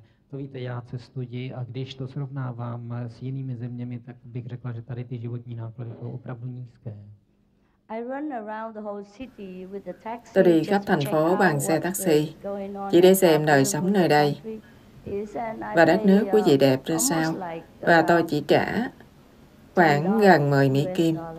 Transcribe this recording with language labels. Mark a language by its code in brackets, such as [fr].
[cs] To víte, já cestuji a když to srovnávám s jinými zeměmi, tak bych řekla, že tady ty životní náklady jsou opravdu nízké. [en] I run around the whole city with the taxi. [vi] Tôi đi khắp thành phố bằng xe taxi, chỉ để xem đời sống nơi đây và đất nước quý vị đẹp ra sao. Và tôi chỉ trả khoảng gần 10 Mỹ Kim.